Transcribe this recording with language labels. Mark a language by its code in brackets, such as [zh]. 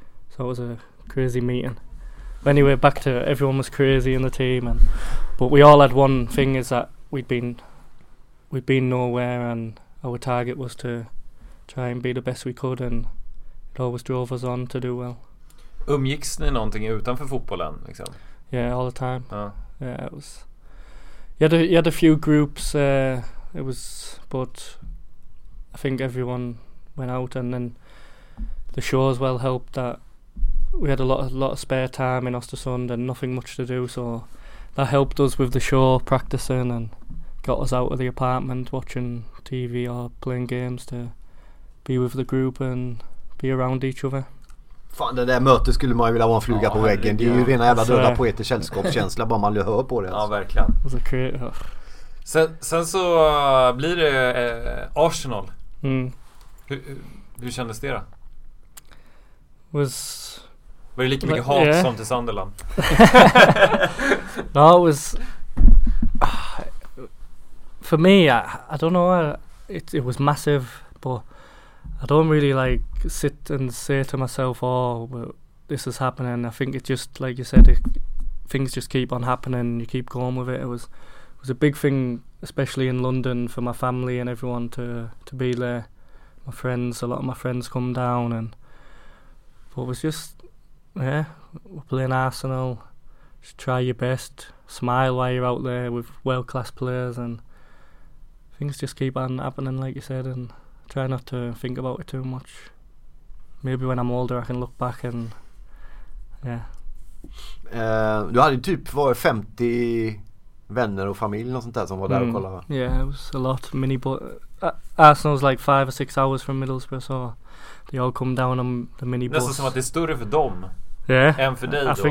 [en] So it was a crazy meeting. But anyway, back to everyone was crazy in the team. But we all had one thing, is that we'd been nowhere, and our target was to try and be the best we could, and it always drove us on to do well. [sv] Umgicks ni någonting utanför fotbollen liksom? [en] Yeah, all the time. Yeah, it was. You had a few groups, it was, but I think everyone went out, and then the show as well helped that we had a lot of spare time in Östersund and nothing much to do, so that helped us with the show, practicing, and got us out of the apartment watching TV or playing games to be with the group and be around each other. [sv] Fan, det där mötet skulle man ju vilja vara en fluga på väggen. Det är ju rena jävla döda poeters sällskapskänsla bara man hör på det. Alltså. Ja, verkligen. Så sen så blir det Arsenal. Hur kändes det då? Var det lika mycket hat som till Sunderland? [en] No, it was... For me, I don't know, it was massive, but I don't really like sit and say to myself, oh, well, this is happening. I think it just, like you said, things just keep on happening and you keep going with it. It was a big thing, especially in London, for my family and everyone to be there. My friends, a lot of my friends come down, and but it was just, we're playing Arsenal, just try your best, smile while you're out there with world-class players, and things just keep on happening, like you said, and try not to think about it too much. Maybe when I'm older I can look back and, [sv] Du hade typ, var det 50 vänner och familj och sånt där som var där och kollade? [en] Yeah, it was a lot. Arsenal was like 5 or 6 hours from Middlesbrough, so they all come down on the minibus. [sv] Nästan som att det är större för dem än för dig